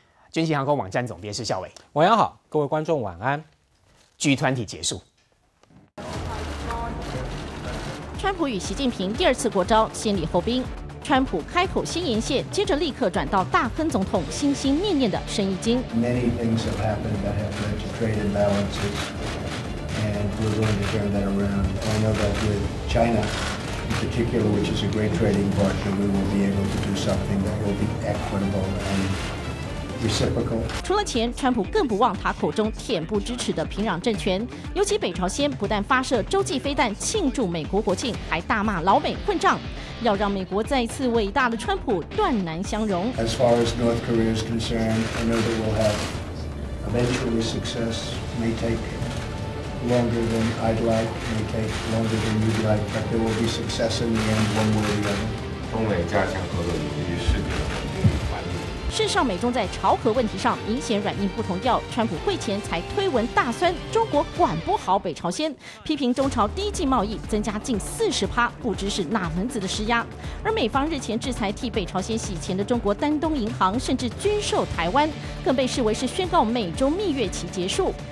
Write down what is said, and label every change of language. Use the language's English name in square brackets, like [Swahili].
[Chinese] 军行航空网站总编施孝伟，晚上好，各位观众晚安。 G20 结束，川普与习近平第二次国招，先礼后兵。川普开口先言谢，接着立刻转到大亨总统心心念念的生意经。 [English] Many things have happened that have led to trade imbalances, and we're going to turn that around. I know that with China. In particular, which is a great trading partner, we will be able to do something that will be equitable and reciprocal. [Chinese] 除了钱，川普更不忘他口中恬不知耻的平壤政权。尤其北朝鲜不但发射洲际飞弹庆祝美国国庆，还大骂老美混账，要让美国再次伟大的川普断然相容。 [English] As far as North Korea is concerned, I know that we'll have eventually success. May take. Longer than I'd like, may take longer than you'd like, but there will be success in the end, one way or the other. [Chinese] 中美加强合作努力是个事实上，美中在朝核问题上明显软硬不同调。川普会前才推文大酸中国管不好北朝鲜，批评中朝低进贸易增加近40%，不知是哪门子的施压。而美方日前制裁替北朝鲜洗钱的中国丹东银行，甚至军售台湾，更被视为是宣告美中蜜月期结束。